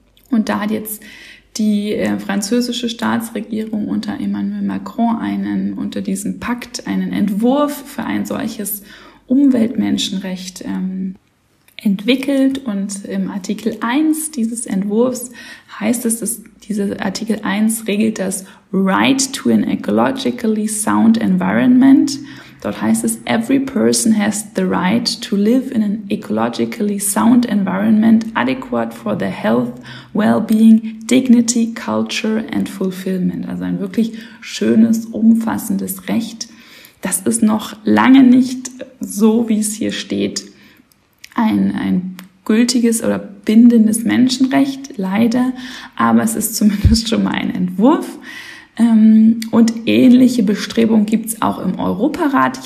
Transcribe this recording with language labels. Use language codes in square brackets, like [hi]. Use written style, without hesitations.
[de] Und da hat jetzt die französische Staatsregierung unter Emmanuel Macron unter diesem Pakt einen Entwurf für ein solches Umweltmenschenrecht entwickelt. Und im Artikel 1 dieses Entwurfs heißt es, dass dieser Artikel 1 regelt das [en] Right to an ecologically sound environment. Dort heißt es, every person has the right to live in an ecologically sound environment adequate for their health, well-being, dignity, culture and fulfillment. [de] Also ein wirklich schönes, umfassendes Recht. Das ist noch lange nicht so, wie es hier steht, ein gültiges oder bindendes Menschenrecht, leider. Aber es ist zumindest schon mal ein Entwurf. Und ähnliche Bestrebungen gibt es auch im Europarat.